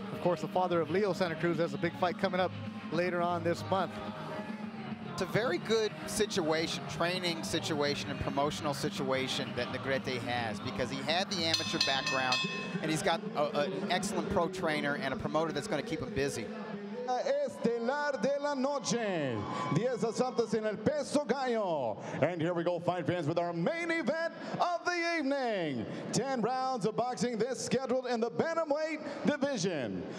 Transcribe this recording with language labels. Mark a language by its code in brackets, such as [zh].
[en] Of course, the father of Leo Santa Cruz has a big fight coming up later on this month. It's a very good situation, training situation and promotional situation that Negrete has, because he had the amateur background and he's got an excellent pro trainer and a promoter that's going to keep him busy. [es] Estelar de la noche, 10 asaltos en el peso gallo. [en] And here we go, fight fans, with our main event of the evening. 10 rounds of boxing, this scheduled in the bantamweight division.